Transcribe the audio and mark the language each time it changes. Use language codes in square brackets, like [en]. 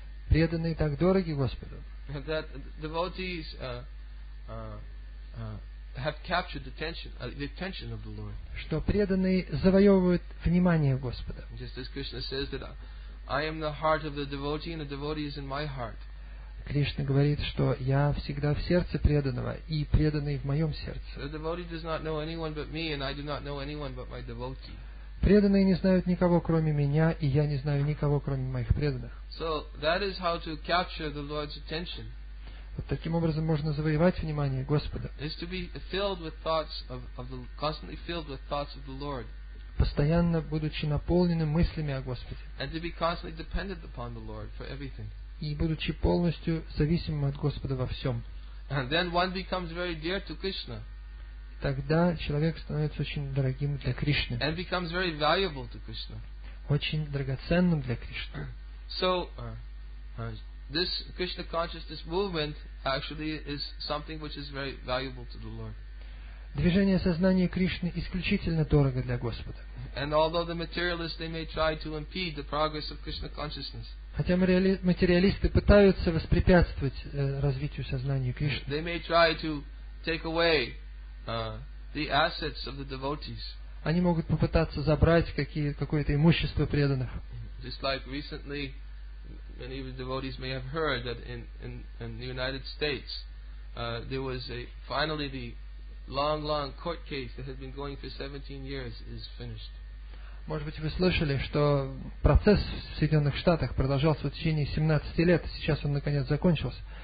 [ru] Преданные так дороги Господу. [en] That devotees have captured the attention of the Lord. [ru] Что преданные завоевывают внимание Господа. [en] Just as Krishna says that I am the heart of the devotee and the devotee is in my heart. [ru] Кришна говорит, что я всегда в сердце преданного и преданный в моем сердце. [en] The devotee does not know anyone but me and I do not know anyone but my devotee. [ru] Преданные не знают никого, кроме меня, и я не знаю никого, кроме моих преданных. [en] So that is how to capture the Lord's attention. [ru] Вот таким образом можно завоевать внимание Господа. [en] Is to be filled with thoughts of the constantly filled with thoughts of the Lord. [ru] Постоянно будучи наполненным мыслями о Господе. [en] And to be constantly dependent upon the Lord for everything. [ru] И будучи полностью зависимым от Господа во всем. [en] And then one becomes very dear to Krishna. [ru] Тогда человек становится очень дорогим для Кришны. [en] And becomes very valuable to Krishna. [ru] Очень драгоценным для Кришны. [en] So, this Krishna consciousness movement actually is something which is very valuable to the Lord. [ru] Движение сознания Кришны исключительно дорого для Господа. [en] And although the materialists, they may try to impede the progress of Krishna consciousness. [ru] Хотя материалисты пытаются воспрепятствовать развитию сознания Кришны. [en] They may try to take away the assets of the devotees. [ru] Они могут попытаться забрать какое-то имущество преданных. [en] Just like recently, many of the devotees may have heard that in the United States, there was finally the long, long court case that had been going for 17 years is finished. [ru] Может быть, вы слышали, что процесс в Соединенных Штатах продолжался в течение 17 лет, и сейчас он наконец закончился.